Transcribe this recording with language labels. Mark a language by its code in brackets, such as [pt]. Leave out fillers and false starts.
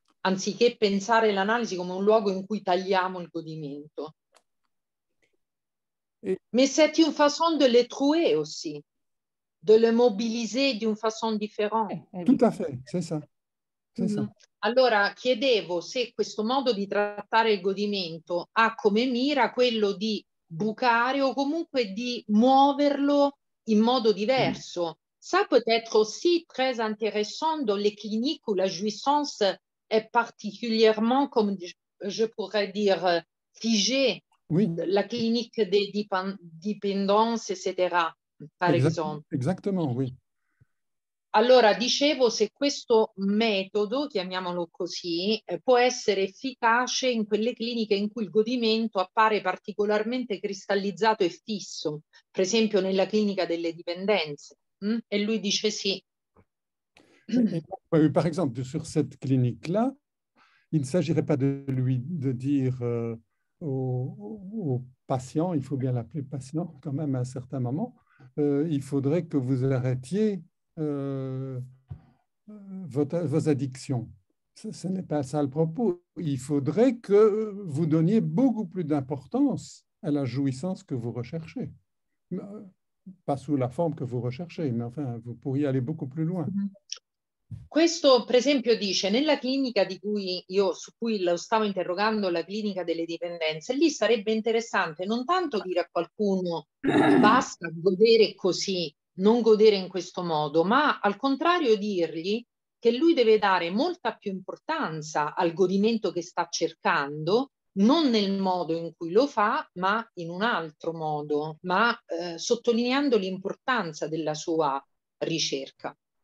[it] Anziché pensare l'analisi come un luogo in cui tagliamo il godimento. [fr] Mais c'est une façon de le trouver aussi, de le mobiliser d'une façon différente. Tout à fait, c'est ça. C'est ça. [it] Allora, chiedevo se questo modo di trattare il godimento ha come mira quello di bucare o comunque di muoverlo in modo diverso. [fr] Ça peut être aussi très intéressant dans les cliniques où la jouissance est particulièrement, comme je pourrais dire, figée. Oui. La clinique des dépendances, etc., par exemple. Exactement, oui. [it] Allora, dicevo, se questo metodo, chiamiamolo così, può essere efficace in quelle cliniche in cui il godimento appare particolarmente cristallizzato e fisso, per esempio nella clinica delle dipendenze. E lui dice sì. [fr] Par exemple, sur cette clinique-là, il ne s'agirait pas de dire au patient, il faut bien l'appeler patient quand même à un certain moment, il faudrait que vous arrêtiez vos addictions. Ce n'est pas ça le propos. Il faudrait que vous donniez beaucoup plus d'importance à la jouissance que vous recherchez. Pas sous la forme que vous recherchez, mais enfin, vous pourriez aller beaucoup plus loin. [it] Questo, per esempio, dice nella clinica di cui io su cui lo stavo interrogando, la clinica delle dipendenze, lì sarebbe interessante non tanto dire a qualcuno basta godere così, non godere in questo modo, ma al contrario dirgli che lui deve dare molta più importanza al godimento che sta cercando, non nel modo in cui lo fa, ma in un altro modo, ma sottolineando l'importanza della sua ricerca.